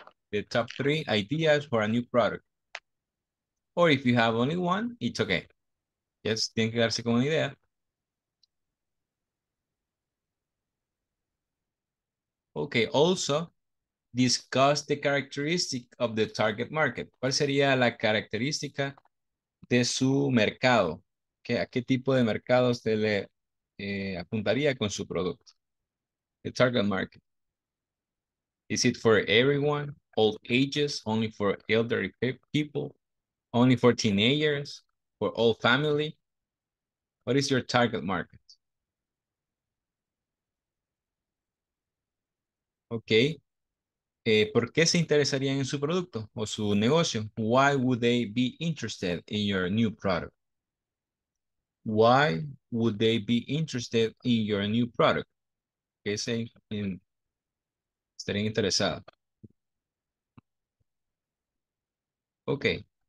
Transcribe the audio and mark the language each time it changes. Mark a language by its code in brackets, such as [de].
[en] The top three ideas for a new product. Or if you have only one, it's okay. [es] Yes, tiene que darse con una idea. [en] Okay, also discuss the characteristic of the target market. [es] ¿Cuál sería la característica de su mercado? ¿Qué, a qué tipo de mercado usted le apuntaría con su producto? [en] The target market. Is it for everyone? All ages? Only for elderly people? Only for teenagers? For all family? What is your target market? Okay. [es] ¿Por qué se interesarían en su producto o su negocio? [en] Why would they be interested in your new product? Why would they be interested in your new product? [es] ¿Qué se estarían interesados? [en] Okay.